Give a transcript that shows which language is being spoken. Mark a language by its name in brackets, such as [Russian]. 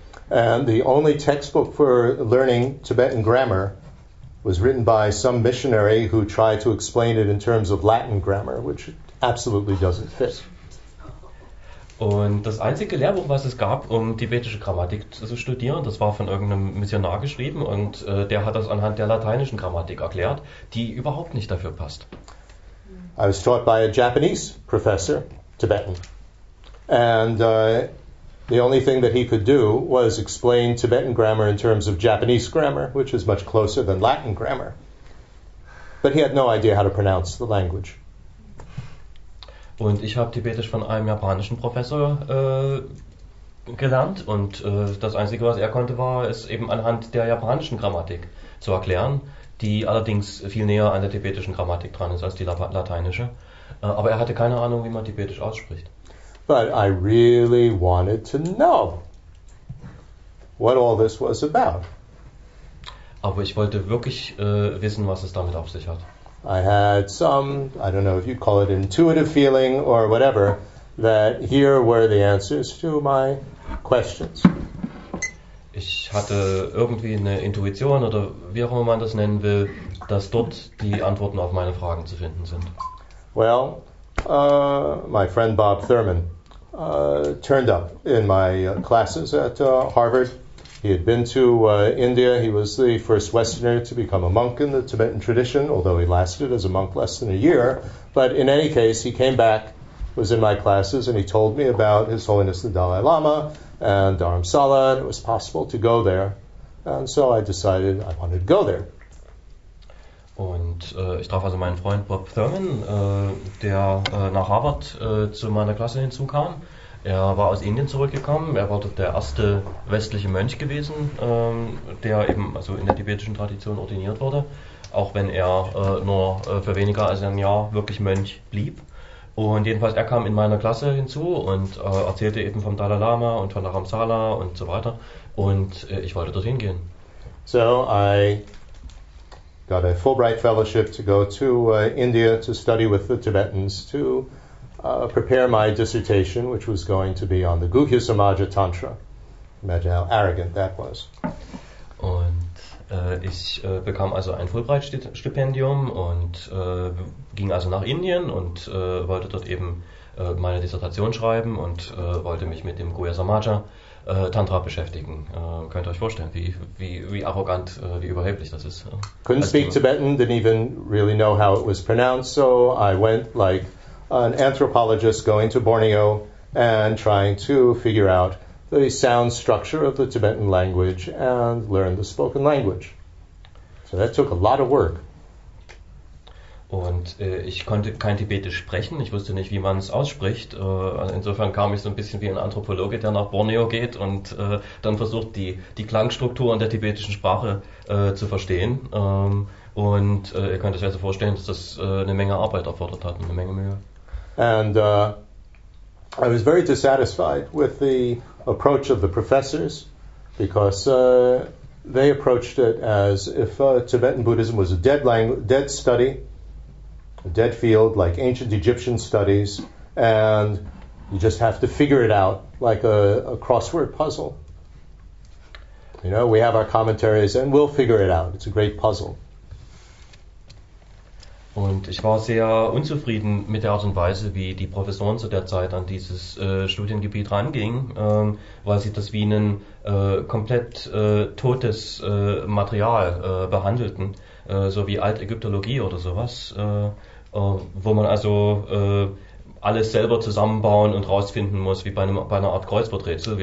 [English] And the only textbook for learning Tibetan grammar was written by some missionary who tried to explain it in terms of Latin grammar, which absolutely doesn't fit. [German] Und das einzige Lehrbuch, was es gab, um tibetische Grammatik zu studieren, das war von irgendeinem Missionar geschrieben und der hat das anhand der lateinischen Grammatik erklärt, die überhaupt nicht dafür passt. [English] I was taught by a Japanese professor, Tibetan. And the only thing that he could do was explain Tibetan grammar in terms of Japanese grammar, which is much closer than Latin grammar. But he had no idea how to pronounce the language. [German] Und ich habe Tibetisch von einem japanischen Professor gelernt und das Einzige, was er konnte, war es eben anhand der japanischen Grammatik zu erklären, die allerdings viel näher an der tibetischen Grammatik dran ist als die lateinische. Aber er hatte keine Ahnung, wie man Tibetisch ausspricht. [English] But I really wanted to know what all this was about. [German] Aber ich wollte wirklich wissen, was es damit auf sich hat. [English] I had some, I don't know if you'd call it intuitive feeling or whatever, that here were the answers to my questions. [German] Ich hatte irgendwie eine Intuition oder wie auch immer man das nennen will, dass dort die Antworten auf meine Fragen zu finden sind. [English] Well, my friend Bob Thurman turned up in my classes at Harvard. He had been to India. He was the first Westerner to become a monk in the Tibetan tradition, although he lasted as a monk less than a year. But in any case, he came back, was in my classes, and he told me about His Holiness the Dalai Lama and Dharamsala, and it was possible to go there. And so I decided I wanted to go there. [German] Und ich traf also meinen Freund Bob Thurman, der nach Harvard zu meiner Klasse hinzukam. Er war aus Indien zurückgekommen. Er war dort der erste westliche Mönch gewesen, der eben also in der tibetischen Tradition ordiniert wurde, auch wenn er nur für weniger als ein Jahr wirklich Mönch blieb. Und jedenfalls, er kam in meiner Klasse hinzu und erzählte eben vom Dalai Lama und von Dharamsala und so weiter. Und ich wollte dorthin gehen. [English] So, I got a Fulbright Fellowship to go to India to study with the Tibetans to prepare my dissertation, which was going to be on the Guhya Samaja Tantra. Imagine how arrogant that was. [German] Und ich bekam also ein Fulbright-Stipendium und ging also nach Indien und wollte dort eben meine Dissertation schreiben und wollte mich mit dem Guhya Samaja Tantra beschäftigen. Könnt ihr euch vorstellen, wie arrogant, wie überheblich das ist. [English] Couldn't speak Tibetan, didn't even really know how it was pronounced, so I went like an anthropologist going to Borneo and trying to figure out the sound structure of the Tibetan language and learn the spoken language. So that took a lot of work. [German] Und ich konnte kein Tibetisch sprechen, ich wusste nicht, wie man es ausspricht. Insofern kam ich so ein bisschen wie ein Anthropologe, der nach Borneo geht und dann versucht, die Klangstrukturen der tibetischen Sprache zu verstehen Und ihr könnt euch also vorstellen, dass das eine Menge Arbeit erfordert hat, eine Menge Mühe. [English] And I was very dissatisfied with the approach of the professors, because they approached it as if Tibetan Buddhism was a dead language, dead study, a dead field, like ancient Egyptian studies, and you just have to figure it out like a crossword puzzle. You know, we have our commentaries and we'll figure it out. It's a great puzzle. [German] Und ich war sehr unzufrieden mit der Art und Weise, wie die Professoren zu der Zeit an dieses Studiengebiet rangingen, weil sie das wie ein komplett totes Material behandelten, so wie Altägyptologie oder sowas, wo man also alles selber zusammenbauen und rausfinden muss, wie bei einer Art Kreuzworträtsel.